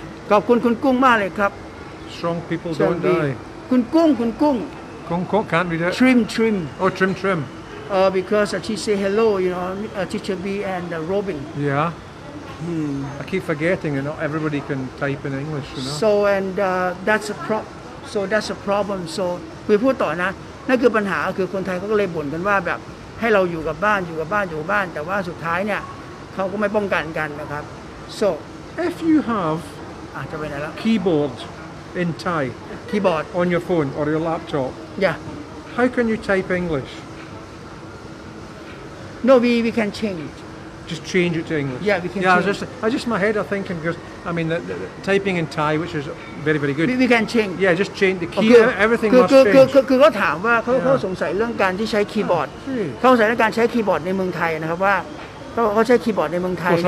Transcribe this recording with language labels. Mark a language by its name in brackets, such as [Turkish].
[Thai] ขอบคุณคุณกุ้งมากเลยครับ [English] Strong people don't die [Thai] คุณกุ้งคุณกุ้ง [English] กุ้งก็ can't read it trim oh trim because she say hello you know teacher B and Robin yeah I keep forgetting and not everybody can type in English you know so and that's a problem so [Thai] คุยพูดต่อนะนั่นคือปัญหาคือคนไทยเขาก็เลยบ่นกันว่าแบบให้เราอยู่กับบ้านอยู่กับบ้านอยู่บ้านแต่ว่าสุดท้ายเนี่ยเขาก็ไม่ป้องกันกันนะครับ so [English] if you have [Thai] อาจจะไปไหนแล้ว [English] keyboard in Thai keyboard on your phone or your laptop yeah how can you type English no we can change just change it to English yeah we can yeah I just my head are thinking because I mean the typing in Thai which is very very good we can change yeah just change the key okay. everything must change [Thai] คือเขาถามว่าเขาสงสัยเรื่องการที่ใช้คีย์บอร์ดเขาสงสัยเรื่องการใช้คีย์บอร์ดในเมืองไทยนะครับว่าเขาใช้คีย์บอร์ดในเมืองไทย